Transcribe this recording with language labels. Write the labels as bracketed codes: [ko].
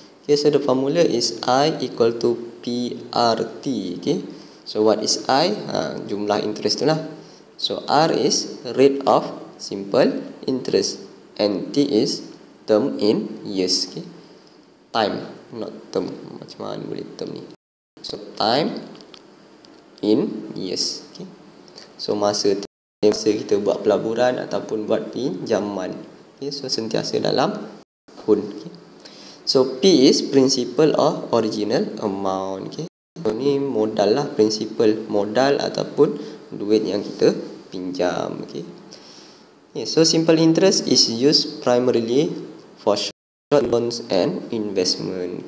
[en] Okay, so the formula is I equal to PRT. Okay, so what is I? [ms] Jumlah interest tu lah. [en] So R is rate of simple interest, and T is term in years. Okay, time, not term. [ms] Macam mana boleh term ni? [en] So time in years. [ms] Okay, so masa kita buat pelaburan ataupun buat pinjaman. Okay, so sentiasa dalam tahun. [en] Okay, so P is principal or original amount. [ms] Okay, so ni modal lah, principal modal ataupun duit yang kita pinjam. [en] Okay, okay, so simple interest is used primarily for short loans and investment.